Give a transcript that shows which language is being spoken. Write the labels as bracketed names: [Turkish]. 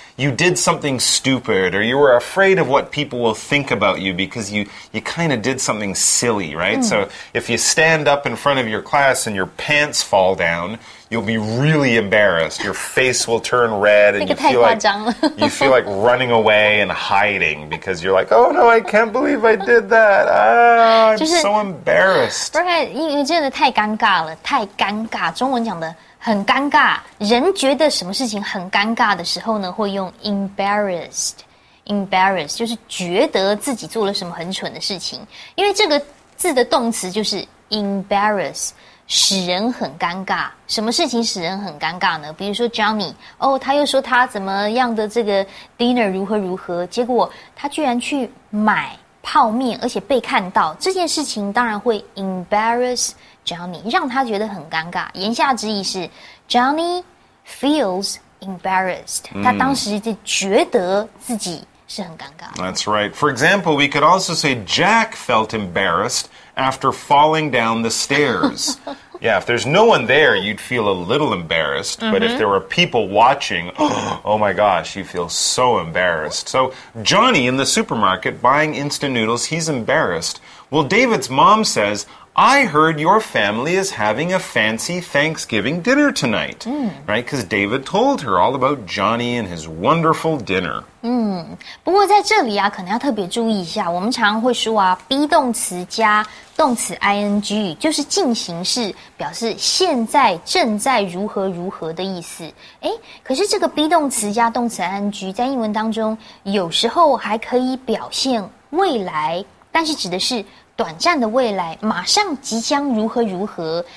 [English] You did something stupid, or you were afraid of what people will think about you because you kind of did something silly, right? So if you stand up in front of your class and your pants fall down, you'll be really embarrassed. Your face will turn red and you feel like running away and hiding because you're like, oh no, I can't believe I did that. I'm so embarrassed. [Chinese] Right, 因为真的太尴尬了，太尴尬，中文讲的。很尴尬，人觉得什么事情很尴尬的时候呢，会用 embarrassed, embarrassed, 就是觉得自己做了什么很蠢的事情。因为这个字的动词就是 embarrass, 使人很尴尬。什么事情使人很尴尬呢？比如说 Johnny, 哦，他又说他怎么样的这个 dinner 如何如何，结果他居然去买泡面，而且被看到，这件事情当然会 embarrass,Johnny, 让他觉得很尴尬。言下之意是 [English] Johnny feels embarrassed. [Chinese] 他当时就觉得自己是很尴尬。 [English] That's right. For example, we could also say Jack felt embarrassed after falling down the stairs. Yeah, if there's no one there, you'd feel a little embarrassed. But if there were people watching, oh my gosh, you feel so embarrassed. So Johnny in the supermarket buying instant noodles, he's embarrassed. Well, David's mom says... I heard your family is having a fancy Thanksgiving dinner tonight. Right? Because David told her all about Johnny and his wonderful dinner. [Chinese] 不过在这里啊，可能要特别注意一下，我们常会说啊 ,be 动词加动词 ing, 就是进行式表示现在正在如何如何的意思。诶，可是这个 be 动词加动词 ing, 在英文当中有时候还可以表现未来，但是指的是短暂的未来，马上即将如何如何。